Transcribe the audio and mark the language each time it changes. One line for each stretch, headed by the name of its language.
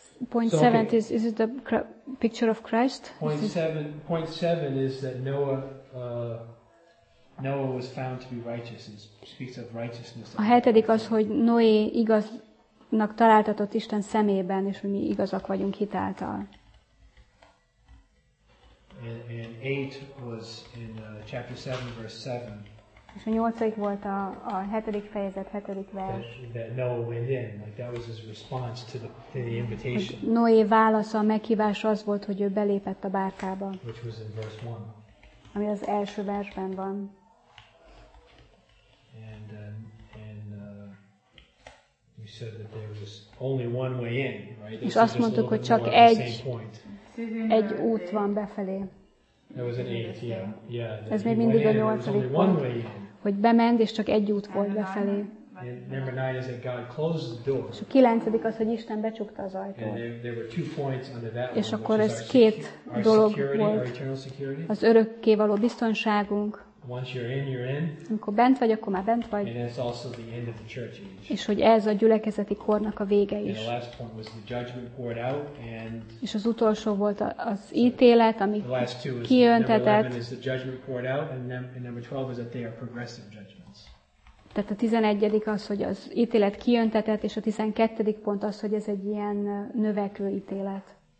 English: Point seven is it the picture of Christ? Point seven is that Noah was found to be righteous. It speaks of righteousness.
Hungarian: A hetedik az, hogy Noé igaznak találtatott Isten szemében, és mi igazak vagyunk hitáltal.
English: And eight was in chapter 7, verse 7.
Hungarian: És a nyolcadik volt a hetedik fejezet, hetedik vers.
English: That Noah went in, like that was his response to the invitation.
Hungarian: Noé válasza, a meghívás az volt, hogy ő belépett a bárkába.
English: Which was in verse 1.
Hungarian: Ami az első versben van.
English: And we said that there was only one way in, right?
Hungarian: És azt mondtuk, hogy csak egy út van befelé.
English: There was an eight, yeah.
Hungarian: Ez még mindig a nyolcadik pont, hogy bement, és csak egy út volt befelé.
English: Number nine is that God closed the door.
Hungarian: És a kilencedik az, hogy Isten becsukta az ajtót.
English: And there were two points under that.
Hungarian: És akkor ez két dolog volt. Az örökké való biztonságunk.
English: Once you're in, you're in.
Hungarian: Amikor bent vagy, akkor már bent vagy.
English: And it's also the end of the church age.
Hungarian: És hogy ez a gyülekezeti kornak a vége is.
English: And the last point was the judgment poured out, and.
Hungarian: És az utolsó volt az ítélet, ami kiöntetett.
English: Number 11 is the judgment poured out, and number 12 is that they are progressive judgments.
Hungarian: Tehát a 11. az, hogy az ítélet kiöntetett, és a 12. pont az, hogy ez egy ilyen növekvő ítélet.